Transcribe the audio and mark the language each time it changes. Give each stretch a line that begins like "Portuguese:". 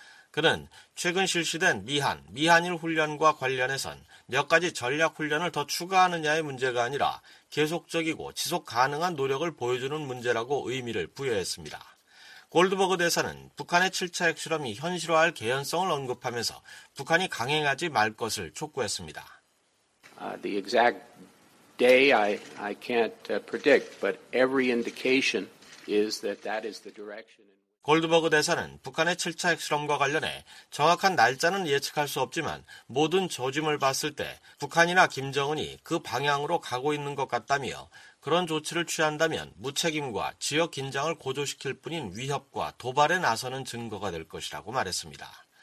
Korean: 그는 최근 실시된 미한, 미한일 훈련과 관련해선 몇 가지 전략 훈련을 더 추가하느냐의 문제가 아니라 계속적이고 지속 가능한 노력을 보여주는 문제라고 의미를 부여했습니다. 골드버그 대사는 북한의 7차 핵실험이 현실화할 개연성을 언급하면서 북한이 강행하지 말 것을 촉구했습니다.
English: The exact day I can't predict, but every indication is that that is the direction.
Korean: 골드버그 대사는 북한의 7차 핵실험과 관련해 정확한 날짜는 예측할 수 없지만 모든 조짐을 봤을 때 북한이나 김정은이 그 방향으로 가고 있는 것 같다며 그런 조치를 취한다면 무책임과 지역 긴장을 고조시킬 뿐인 위협과 도발에 나서는 증거가 될 것이라고 말했습니다.